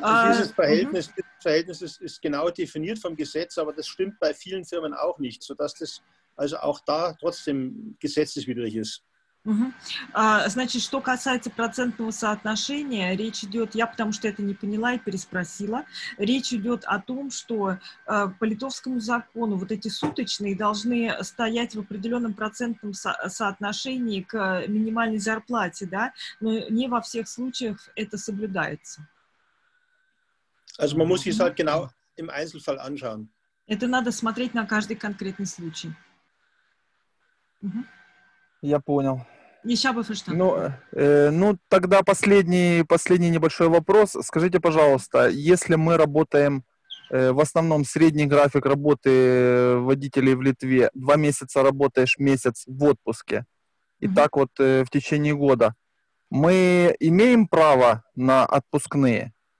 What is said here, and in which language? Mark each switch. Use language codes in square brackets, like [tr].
[de] Dieses Verhältnis, ist genau definiert vom Gesetz, aber das stimmt bei vielen Firmen auch nicht, sodass das also auch da trotzdem gesetzeswidrig ist. [ru] Значит, что касается процентного соотношения, речь идет, я потому что это не поняла и переспросила, речь идет о том, что по литовскому закону вот эти суточные должны стоять в определенном процентном соотношении к минимальной зарплате, да, но не во всех случаях это соблюдается. [de] Also man muss sich halt genau im Einzelfall anschauen. [ru] Это надо смотреть на каждый конкретный случай. Я понял. Еще бы что-то. Ну, тогда последний небольшой вопрос. Скажите, пожалуйста, если мы работаем в основном средний график работы водителей в Литве, 2 месяца работаешь, месяц в отпуске, и так вот в течение года, мы имеем право на отпускные?